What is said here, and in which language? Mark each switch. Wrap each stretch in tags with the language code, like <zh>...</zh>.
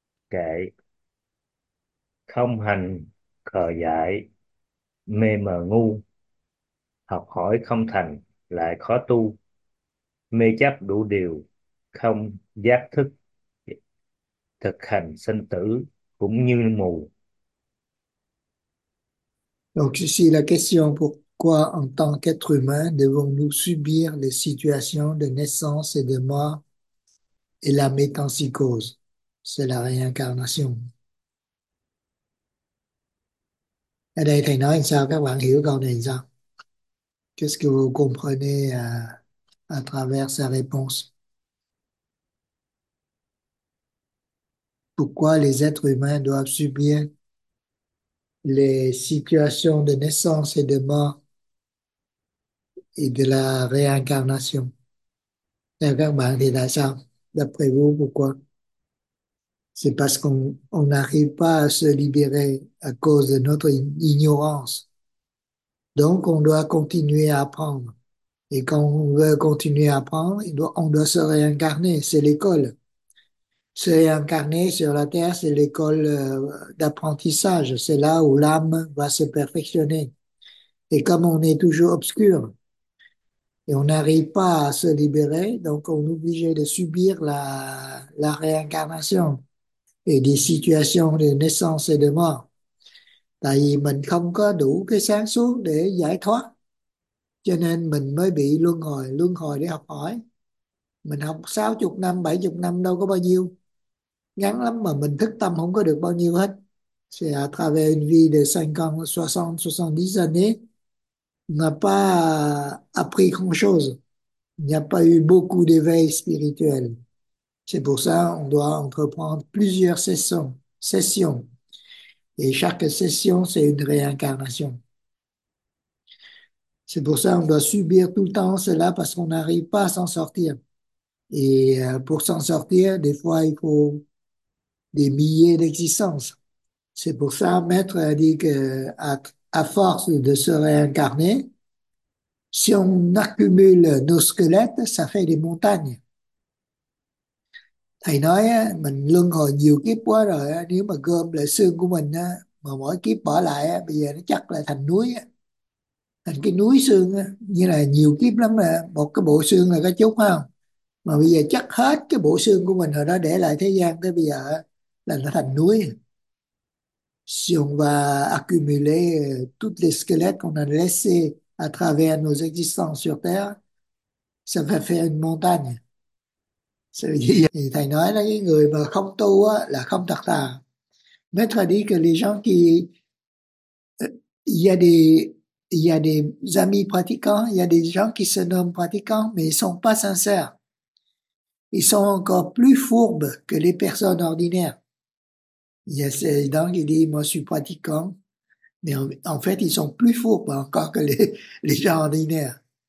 <vi>Kệ, không hành khờ dại mê mờ ngu, học hỏi không thành lại khó tu, mê chấp đủ điều không giác thức, thực hành sanh tử cũng như mù.</vi> <fr>Donc ici la question, pourquoi en tant qu'être humain devons-nous subir les situations de naissance et de mort et la métempsychose? C'est la réincarnation.</fr> <vi>Ở đây thầy nói làm sao, các bạn hiểu câu này làm sao?</vi> <fr>Qu'est-ce que vous comprenez à travers sa réponse? Pourquoi les êtres humains doivent subir les situations de naissance et de mort et de la réincarnation? Et</fr> <vi>các bạn thì là sao?</vi> <fr>D'après vous, pourquoi? C'est parce qu'on n'arrive pas à se libérer à cause de notre ignorance. Donc, on doit continuer à apprendre. Et quand on veut continuer à apprendre, on doit se réincarner. C'est l'école. Se réincarner sur la Terre, c'est l'école d'apprentissage. C'est là où l'âme va se perfectionner. Et comme on est toujours obscur et on n'arrive pas à se libérer, donc on est obligé de subir la réincarnation et des situations de naissance et de mort.</fr> <vi>Tại vì mình không có đủ cái sáng suốt để giải thoát, cho nên mình mới bị luân hồi để học hỏi. Mình học 60 năm, 70 năm đâu có bao nhiêu. Ngắn lắm mà mình thức tâm không có được bao nhiêu hết.</vi> <fr>C'est à travers une vie de 50, 60, 70 années, n'a pas appris grand-chose. Il n'y a pas eu beaucoup d'éveil spirituel. C'est pour ça qu'on doit entreprendre plusieurs sessions. Et chaque session, c'est une réincarnation. C'est pour ça qu'on doit subir tout le temps cela parce qu'on n'arrive pas à s'en sortir. Et pour s'en sortir, des fois, il faut des milliers d'existences. C'est pour ça, Maître a dit qu'à force de se réincarner, si on accumule nos squelettes, ça fait des montagnes.</fr> <vi>Thầy nói á, mình luân hồi nhiều kiếp quá rồi á, nếu mà gom lại xương của mình á, mà mỗi kiếp bỏ lại á, bây giờ nó chắc là thành núi á, thành cái núi xương á, như là nhiều kiếp lắm nè, một cái bộ xương là có chút không, mà bây giờ chắc hết cái bộ xương của mình rồi đó, để lại thế gian tới bây giờ á, là nó thành núi. Xương và</vi> <fr>accumulate tout les squelettes qu'on a laissé à travers nos existences sur Terre, ça va faire une montagne.</fr> <vi>Sự gì thì thầy nói là cái người mà không tu á, là không thật thà.</vi> <fr>Mais tandis que les gens qui il y a des amis pratiquants, il y a des gens qui se nomment pratiquants, mais ils sont pas sincères. Ils sont encore plus fourbes que les personnes ordinaires. Il dit, moi, je suis pratiquant, mais en fait, ils sont plus fourbes encore que les gens ordinaires.</fr>